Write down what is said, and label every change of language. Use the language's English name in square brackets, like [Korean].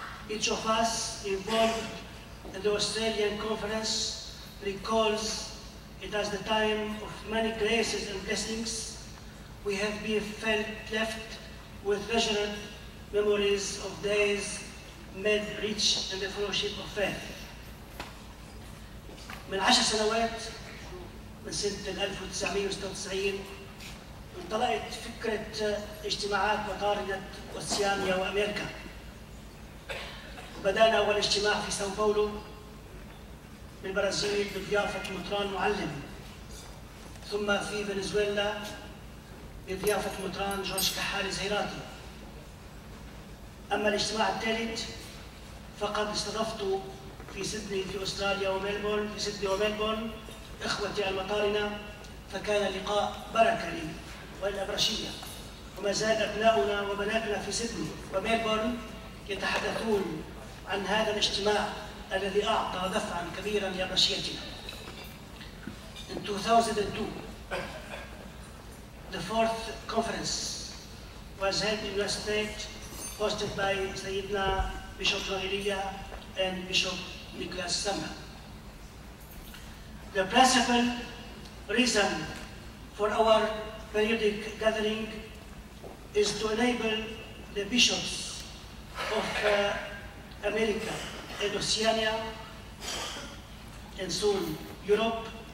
[English] Each of us involved in the Australian conference recalls it as the time of many graces and blessings. We have been left with treasured memories of days made rich in the fellowship of faith. [Arabic] من 10 سنوات من سنة 1996 انطلقت فكرة اجتماعات مطارنة أوسيانيا وأمريكا. وبدأنا أول اجتماع في ساو باولو بالبرازيل بضيافة مطران معلم، ثم في فنزويلا بضيافة مطران جورج كحالي زهيراتي. أما الاجتماع الثالث فقد استضفته في سيدني في أستراليا وميلبورن، في سيدني وميلبورن إخوتي المطارنة، فكان لقاء بركة لي والأبرشية. وما زال أبناؤنا وبناتنا في سيدني وميلبورن يتحدثون عن هذا الاجتماع الذي أعطى دفعا كبيرا لأبرشيتنا. [English] In 2002, the fourth conference was held in the state hosted by سيدنا Bishop Noelia and Bishop Nicholas Sama. The principal reason for our periodic gathering is to enable the bishops of America and Oceania, and soon Europe,